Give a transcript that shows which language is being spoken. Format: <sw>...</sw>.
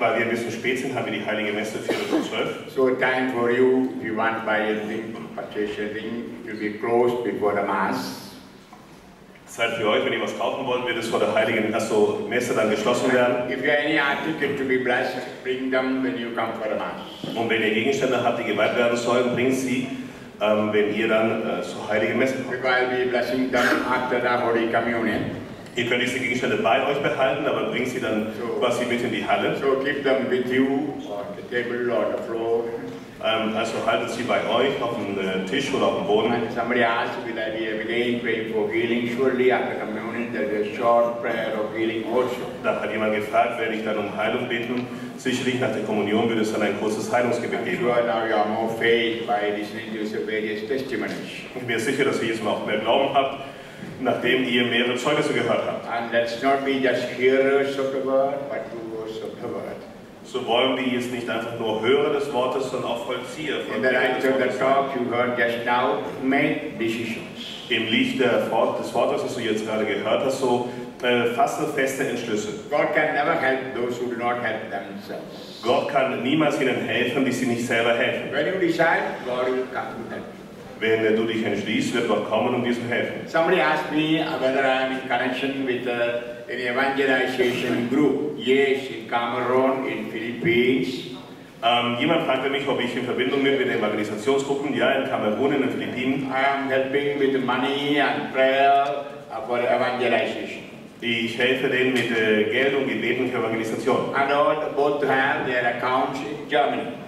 <de>Weil wir ein bisschen spät sind, haben wir die Heilige Messe 4:12.</de> <en>So time for you, we want by a ring, partition ring, to be closed before the mass.</en> <de>Zeit für euch, wenn ihr was kaufen wollt, wird es vor der Heiligen Messe dann geschlossen werden.</de> <en>If you have any article to be blessed, bring them when you come for the mass.</en> <de>Und wenn ihr Gegenstände habt, die geweiht werden sollen, bringt sie, wenn ihr dann zur Heiligen Messe kommt.</de> <en>We will be blessing them after the Holy Communion.</en> <de>Ihr könnt diese Gegenstände bei euch behalten, aber bringt sie dann quasi mit in die Halle.</de> <en>So keep them with you on the table or the floor.</en> <de>Also haltet sie bei euch auf dem Tisch oder auf dem Boden.</de> <en>And somebody asked, will I be again praying for healing? Surely after communion there's a short prayer of healing also.</en> <de>Da hat jemand gefragt, werde ich dann um Heilung beten? Sicherlich nach der Kommunion wird es dann ein kurzes Heilungsgebet geben. Ich bin mir sicher, dass ihr jetzt noch mehr Glauben habt, nachdem ihr mehrere Zeugnisse gehört habt.</de> <en>And let's not be just hearers of the word, but doers of the word.</en> <de>So wollen wir jetzt nicht einfach nur Hörer des Wortes, sondern auch Vollzieher von dem Wort.</de> <en>In the light of the talk you heard just now, make decisions.</en> <de>Im Licht des Wortes, das du jetzt gerade gehört hast, so fasse feste Entschlüsse.</de> <en>God can never help those who do not help themselves.</en> <de>Gott kann niemals ihnen helfen, die sie nicht selber helfen.</de> <en>When you decide, God will come to help you.</en> <de>Wenn du dich entschließt, wird Gott kommen und dir zu helfen.</de> <en>Somebody asked me whether I am in connection with an evangelization group. Yes, in Cameroon, in Philippines.</en> <de>Jemand fragte mich, ob ich in Verbindung bin mit den Evangelisationsgruppen. Ja, in Kamerun, in den Philippinen.</de> <en>I am helping with money and prayer for evangelization.</en> <de>Ich helfe denen mit Geld und Gebeten für Evangelisation.</de> <en>And all, both have their accounts in Germany.</en>